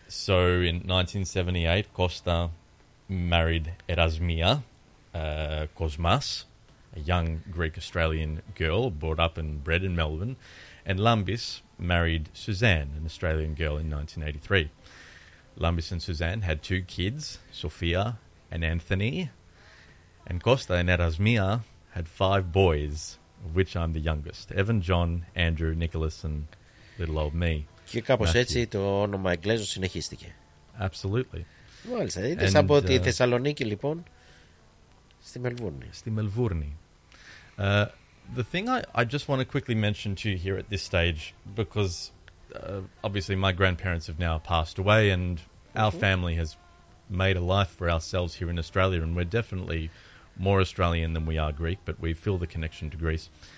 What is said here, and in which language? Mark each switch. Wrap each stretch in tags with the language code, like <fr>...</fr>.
<en>So in 1978, Costa married Erasmia Kosmas, a young Greek-Australian girl brought up and bred in Melbourne, and Lambis married Suzanne, an Australian girl, in 1983. Lambis and Suzanne had two kids, Sophia and Anthony, and Costa and Erasmia had five boys, of which I'm the youngest, Evan, John, Andrew, Nicholas, and little old me.</en> <el>Και κάπως έτσι το όνομα Εγκλέζος συνεχίστηκε.</el> <en>Absolutely.</en> <el>Μάλιστα, είδες από τη Θεσσαλονίκη, λοιπόν, στη Μελβούρνη. Στη Μελβούρνη.</el> <en>The thing I just want to quickly mention to you here at this stage, because obviously my grandparents have now passed away and our family has made a life for ourselves here in Australia, and we're definitely more Australian than we are Greek, but we feel the connection to Greece.</en>